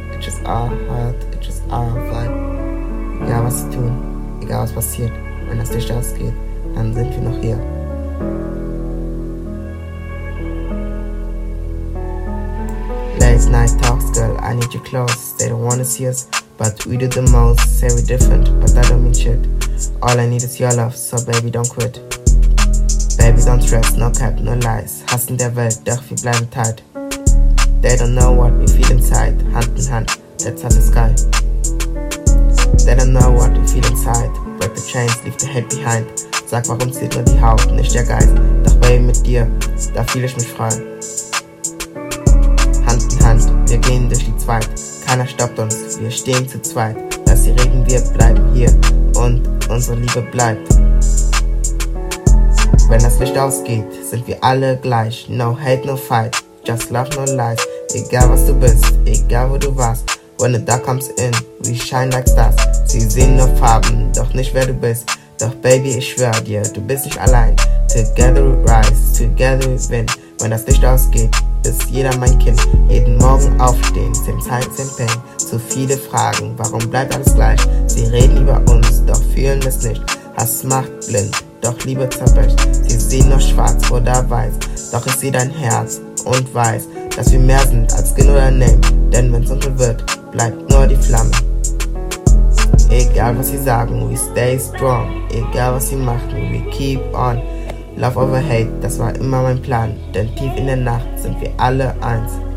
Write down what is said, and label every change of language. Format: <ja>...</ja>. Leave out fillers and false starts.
<en>It's just our heart, it's just our vibe.</en> <de>Egal was sie tun, egal was passiert, wenn das Licht ausgeht, dann sind wir noch hier.</de> <en>Late night talks, girl, I need you close. They don't wanna see us, but we do the most. Say we're different, but that don't mean shit. All I need is your love, so baby, don't quit. Baby, don't stress, no cap, no lies.</en> <de>Hass in der Welt, doch wir bleiben tight.</de> <en>They don't know what we feel inside. Hand in hand, let's touch the sky. They don't know what we feel inside. Break the chains, leave the hate behind.</en> <de>Sag, warum zählt nur die Haut, nicht der Geist. Doch baby, mit dir, da fühle ich mich frei. Hand in Hand, wir gehen durch die Zweit. Keiner stoppt uns, wir stehen zu zweit. Lass sie reden, wir bleiben hier. Und unsere Liebe bleibt. Wenn das Licht ausgeht, sind wir alle gleich.</de> <en>No hate, no fight, just love, no lies.</en> <de>Egal was du bist, egal wo du warst.</de> <en>When the dark comes in, we shine like stars.</en> <de>Sie sehen nur Farben, doch nicht wer du bist. Doch baby, ich schwör dir, du bist nicht allein.</de> <en>Together we rise, together we win.</en> <de>Wenn das Licht ausgeht, ist jeder mein Kind. Jeden Morgen aufstehen,</de> <en>same time, same pain.</en> <de>Zu viele Fragen, warum bleibt alles gleich? Sie reden über uns, doch fühlen es nicht. Hass macht blind. Doch Liebe zerbricht, sie sehen nur schwarz oder weiß. Doch ich sehe dein Herz und weiß, dass wir mehr sind als Skin oder Name. Denn wenn's dunkel wird, bleibt nur die Flamme. Egal was sie sagen,</de> <en>we stay strong.</en> <de>Egal was sie machen,</de> <en>we keep on. Love over hate,</en> <de>das war immer mein Plan. Denn tief in der Nacht sind wir alle eins.</de>